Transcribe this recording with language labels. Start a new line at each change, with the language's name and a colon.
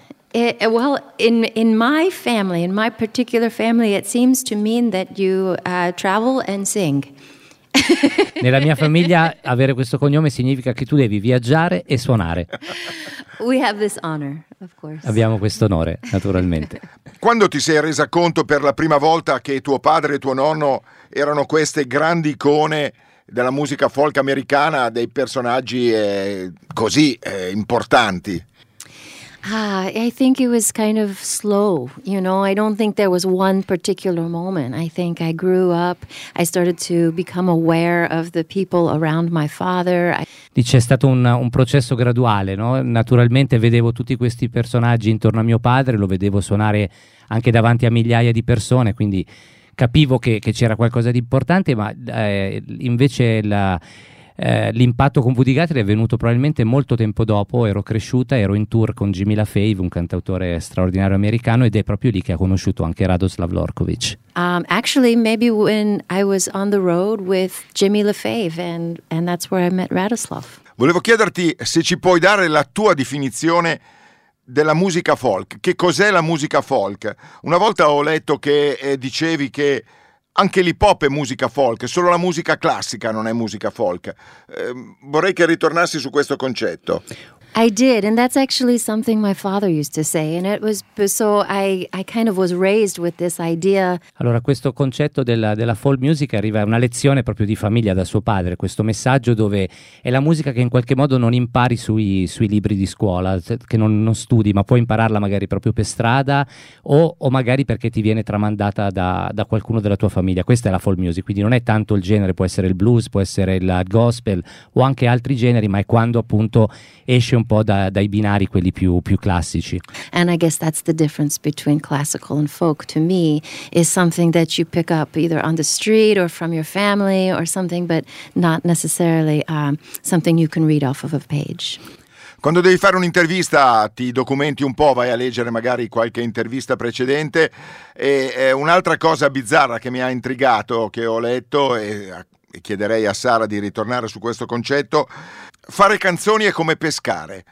English: In my family, in my particular family, it seems to mean that you travel and sing.
Italian: Nella mia famiglia avere questo cognome significa che tu devi viaggiare e suonare.
English: We have this honor, of course.
Italian: Abbiamo questo onore, naturalmente. Quando ti sei resa conto per la prima volta che tuo padre e tuo nonno erano queste grandi icone della musica folk americana, dei personaggi così importanti?
English: I think it was kind of slow, you know. I don't think there was one particular moment. I think I grew up, I started to become aware of the people around my father.
Italian: Dice, è stato un processo graduale, no? Naturalmente vedevo tutti questi personaggi intorno a mio padre, lo vedevo suonare anche davanti a migliaia di persone, quindi capivo che c'era qualcosa di importante, ma invece l'impatto con Woody Guthrie è venuto probabilmente molto tempo dopo. Ero cresciuta, ero in tour con Jimmy LaFave, un cantautore straordinario americano, ed è proprio lì che ha conosciuto anche Radoslav Lorkovic.
English: Actually, maybe when I was on the road with Jimmy LaFave, and that's where I met Radoslav.
Italian: Volevo chiederti se ci puoi dare la tua definizione della musica folk. Che cos'è la musica folk? Una volta ho letto che dicevi che anche l'hip hop è musica folk, solo la musica classica non è musica folk. Vorrei che ritornassi su questo concetto.
English: I did, and that's actually something my father used to say, and it was so I kind of was raised with this idea.
Italian: Allora, questo concetto della folk music arriva a una lezione proprio di famiglia da suo padre, questo messaggio dove è la musica che in qualche modo non impari sui libri di scuola, che non studi, ma puoi impararla magari proprio per strada o magari perché ti viene tramandata da qualcuno della tua famiglia. Questa è la folk music, quindi non è tanto il genere, può essere il blues, può essere il gospel o anche altri generi, ma è quando appunto esce un po' dai binari, quelli più classici.
English: And I guess that's the difference between classical and folk to me, is something that you pick up either on the street or from your family or something, but not necessarily something you can read off of a page.
Italian: Quando devi fare un'intervista ti documenti un po', vai a leggere magari qualche intervista precedente, e un'altra cosa bizzarra che mi ha intrigato, che ho letto, e chiederei a Sara di ritornare su questo concetto: fare canzoni è come pescare.